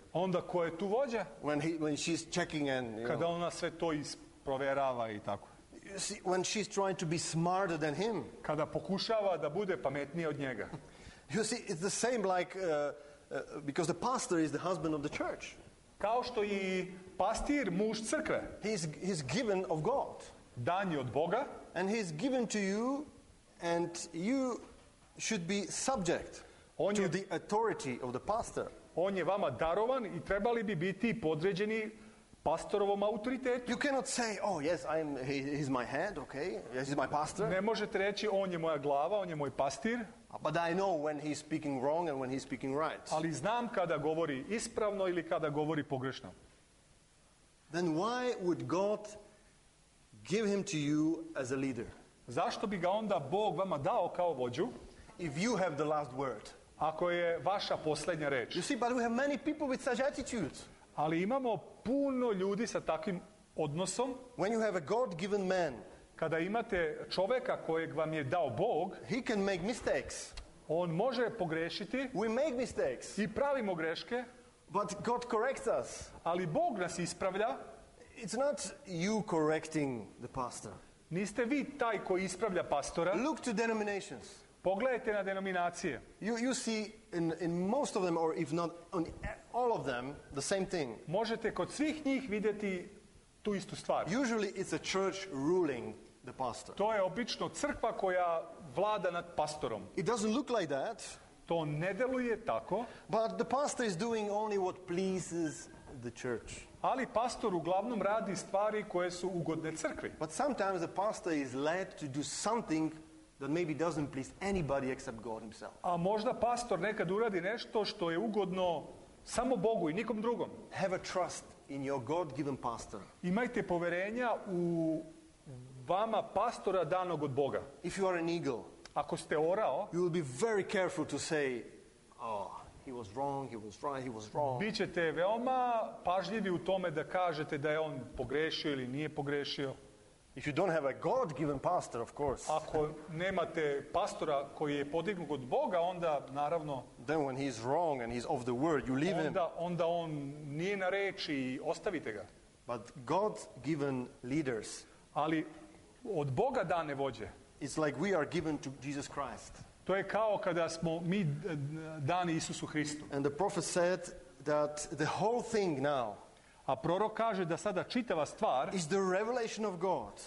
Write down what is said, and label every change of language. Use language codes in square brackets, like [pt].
[sr] Onda ko je tu vođa? [en] When she's checking and, you [sr] kada ona sve to isproverava i tako. [en] See, when she's trying to be smarter than him. [sr] Kada pokušava da bude pametnija od njega. [en] You see, it's the same like because the pastor is the husband of the church. [sr] Kao što je pastir muž crkve. [en] He's given of God. [sr] Dan je od Boga. [en] And he's given to you, and you should be subject to the authority of the pastor. [sr] On je vama darovan i trebali bi biti podređeni pastorovom autoritetu. [en] You cannot say, oh yes, he's my head, okay? Yes, he's my pastor. [sr] Ne možete reći, on je moja glava, on je moj pastir. [en] But I know when he's speaking wrong and when he's speaking right. [sr] Ali znam kada govori ispravno ili kada govori pogrešno. [en] Then why would God give him to you as a leader? [sr] Zašto bi ga onda Bog vama dao kao vođu? [en] If you have the last word. [sr] Ako je vaša posljednja reč. [en] You see, but we have many people with such attitudes. [sr] Ali imamo puno ljudi sa takvim odnosom. [en] When you have a God-given man, [sr] kada imate čovjeka kojeg vam je dao Bog, [en] he can make mistakes. [sr] On može pogrešiti. [en] We make mistakes. [sr] I pravimo greške. [en] But God corrects us. [sr] Ali Bog nas ispravlja. [en] It's not you correcting the pastor. [sr] Niste vi taj koji ispravlja pastora. [en] Look to denominations. [sr] Pogledajte na denominacije. [en] You see in most of them, or if not on all of them, the same thing. [sr] Možete kod svih njih vidjeti tu istu stvar. [en] Usually it's a church ruling the pastor. [sr] To je obično crkva koja vlada nad pastorom. [en] It doesn't look like that. [sr] To ne deluje tako. [en] But the pastor is doing only what pleases the church. [sr] Ali pastor uglavnom radi stvari koje su ugodne crkvi. [en] But sometimes the pastor is led to do something that maybe doesn't please anybody except God himself. [sr] A možda pastor nekad uradi nešto što je ugodno samo Bogu i nikom drugom. [en] Have a trust in your God-given pastor. [sr] Imajte poverenja u vama pastora danog od Boga. [en] If you are an eagle, [sr] ako ste orao, [en] you will be very careful to say, oh, he was wrong, he was right, he was wrong. [sr] Bićete veoma pažljivi u tome da kažete da je on pogrešio ili nije pogrešio. [en] If you don't have a God-given pastor, of course. [sr] Ako nemate pastora koji je podignut od Boga, onda naravno. [en] Then when he's wrong and he's of the word, you leave [sr] onda, [en] him. [sr] Onda on nije na reči i ostavite ga. [en] But God-given leaders. [sr] Ali od Boga dane vođe. [en] It's like we are given to Jesus Christ. [sr] To je kao kada smo mi dani Isusu Hristu. [en] And the prophet said that the whole thing now. [sr] A prorok kaže da sada čitava stvar [en] is the revelation of God,